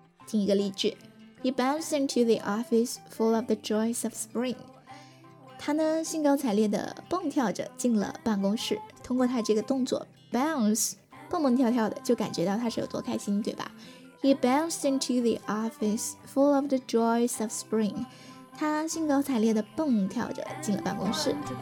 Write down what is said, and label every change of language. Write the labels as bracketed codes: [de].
[zh] 听一个例句， [en] He bounced into the office full of the joys of spring。 [zh] 他呢兴高采烈地蹦跳着进了办公室，通过他这个动作 bounce 蹦蹦跳跳的，就感觉到他是有多开心，对吧？ [en] He bounced into the office full of the joys of spring。 [zh] 他兴高采烈地蹦跳着进了办公室。